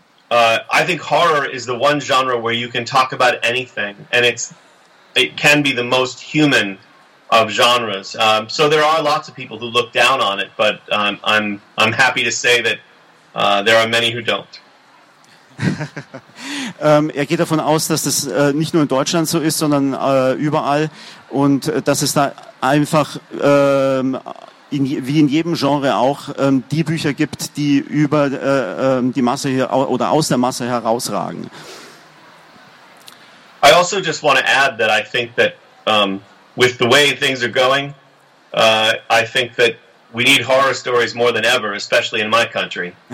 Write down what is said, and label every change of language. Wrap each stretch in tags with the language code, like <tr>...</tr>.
<en>I think horror is the one genre where you can talk about anything, and it can be the most human of genres. So there are lots of people who look down on it, but I'm happy to say that there are many who don't.</en> <de>Er geht davon aus, dass das nicht nur in Deutschland so ist, sondern überall und dass es da einfach wie in jedem Genre auch die Bücher gibt, die über die Masse hier, oder aus der Masse herausragen.</de> <en>I also just want to add that I think that with the way things are going, I think that we need horror stories more than ever, especially in my country.</en>